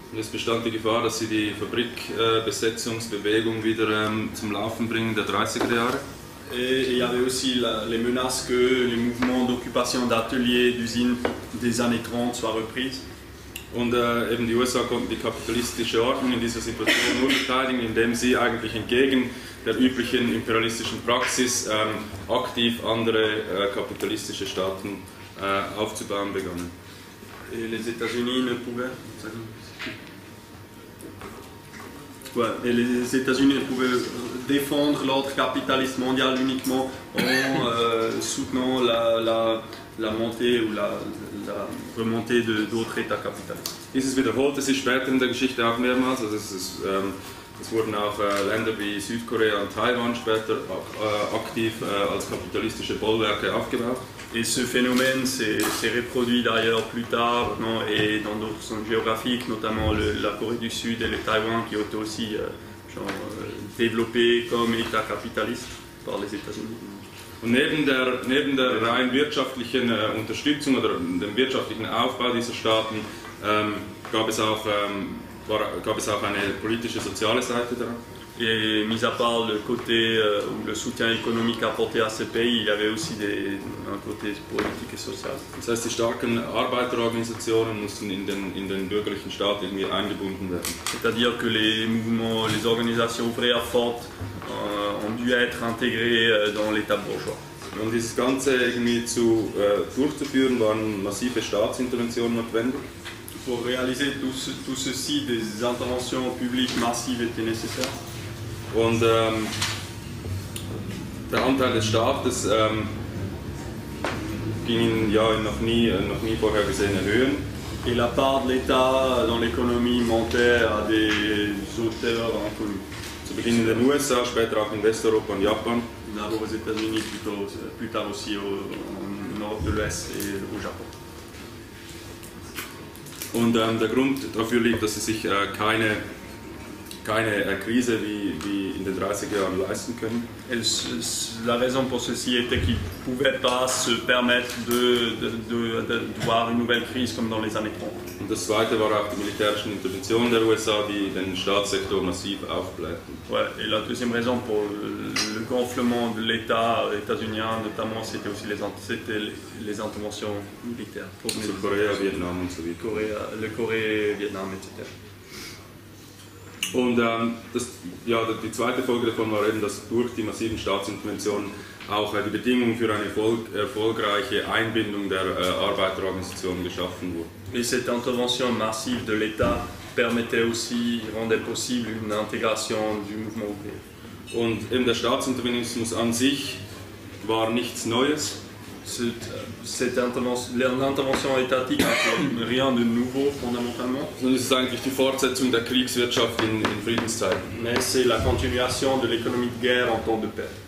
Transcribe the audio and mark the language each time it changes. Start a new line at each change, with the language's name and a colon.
German: Es bestand die Gefahr, dass sie die Fabrikbesetzungsbewegung wieder zum Laufen bringen der 30er Jahre.
French: Et il y avait aussi les menaces que les mouvements d'occupation d'ateliers, d'usines des années 30 soient reprises.
German: Und eben die USA konnten die kapitalistische Ordnung in dieser Situation nur verteidigen, indem sie eigentlich entgegen der üblichen imperialistischen Praxis aktiv andere kapitalistische Staaten aufzubauen begannen.
French: Et les États-Unis ne pouvaient... Ouais, et les États-Unis pouvaient défendre l'ordre capitaliste mondial uniquement en soutenant la montée ou la remontée d'autres États capitalistes.
German: Dieses wiederholte sich später in der Geschichte auch mehrmals. Also es wurden auch Länder wie Südkorea und Taiwan später auch aktiv als kapitalistische Bollwerke aufgebaut.
French: Et ce phénomène s'est reproduit d'ailleurs plus tard, non, et dans d'autres zones géographiques, notamment la Corée du Sud et le Taïwan, qui ont été aussi développés comme État capitaliste par les États-Unis.
German: Und neben der rein wirtschaftlichen Unterstützung oder dem wirtschaftlichen Aufbau dieser Staaten gab es auch eine politische soziale Seite daran.
French: Et mis à part le côté ou le soutien économique apporté à ces pays, il y avait aussi un côté politique et social.
German: Das heißt, die starken Arbeiterorganisationen mussten in den bürgerlichen Staat irgendwie eingebunden werden.
French: C'est-à-dire que les organisations ouvrières fortes ont dû être intégrées dans l'État bourgeois.
German: Um dieses Ganze irgendwie durchzuführen, waren massive Staatsinterventionen notwendig.
French: Pour réaliser tout ceci, des interventions publiques massives étaient nécessaires.
German: Und der Anteil des Staates ging in noch nie vorher gesehene Höhen.
French: Et la part de l'État dans l'économie montait à des hauteurs inconnues.
German: Zu Beginn in den USA, später auch in Westeuropa und Japan.
French: D'abord aux États-Unis, plus tard aussi en Europe de l'Est et au Japon.
German: Und der Grund dafür liegt, dass sie sich keine Krise wie in den 30er Jahren leisten können.
French: La raison pour ceci était qu'ils ne pouvaient pas se permettre de voir une nouvelle crise comme dans les années 30.
German: Und das Zweite war auch die militärischen Interventionen der USA, die den Staatssektor massiv aufblähten.
French: Ouais, et la deuxième raison pour le gonflement de l'État états-unien, notamment, c'était aussi les interventions militaires.
German: Also Korea, Vietnam und so weiter.
French: Korea, Vietnam, etc.
German: Und die zweite Folge davon war eben, dass durch die massiven Staatsinterventionen auch die Bedingungen für eine erfolgreiche Einbindung der Arbeiterorganisationen geschaffen wurden.
French: Et cette intervention massive de l'État permettait aussi, rendait possible une intégration du mouvement ouvrier.
German: Und eben der Staatsinterventionismus an sich war nichts Neues.
French: L'intervention étatique n'a rien de nouveau, fondamentalement. C'est
German: eigentlich die Fortsetzung der Kriegswirtschaft in Friedenszeit.
French: Mais c'est la continuation de l'économie de guerre en temps de paix.